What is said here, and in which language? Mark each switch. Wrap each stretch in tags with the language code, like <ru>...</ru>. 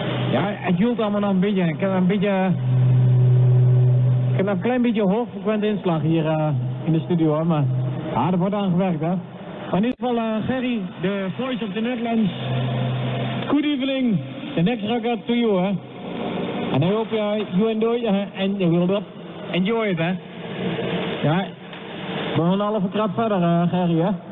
<nl>Ja, het joelt allemaal nog een beetje. Ik heb een beetje. Ik heb een klein beetje hoogfrequent inslag hier in de studio, hè? Maar er wordt aan gewerkt, hè? Maar in ieder geval,</nl> <en>Gerry, the voice of the Netherlands. Good evening, the next record to you, hè? And I hope you enjoy it, and you will enjoy it, hè?</en> <nl>Ja. We gaan een halve trap verder, Gerry, hè?</nl>